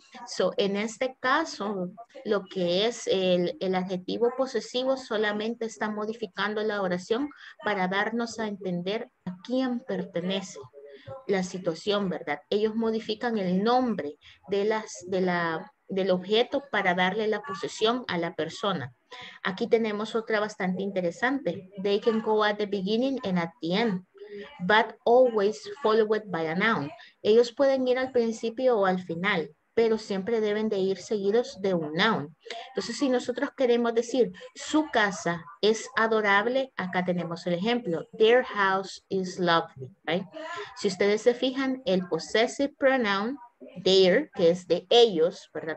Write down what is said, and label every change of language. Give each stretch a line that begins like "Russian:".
Spanish: So, en este caso, lo que es el adjetivo posesivo solamente está modificando la oración para darnos a entender a quién pertenece la situación, ¿verdad? Ellos modifican el nombre del objeto para darle la posesión a la persona. Aquí tenemos otra bastante interesante.
English: They can go at the beginning and at the end, but always followed by a noun.
Spanish: Ellos pueden ir al principio o al final, pero siempre deben de ir seguidos de un noun. Entonces, si nosotros queremos decir, su casa es adorable, acá tenemos el ejemplo.
English: Their house is lovely, right?
Spanish: Si ustedes se fijan, el possessive pronoun, their, que es de ellos, ¿verdad?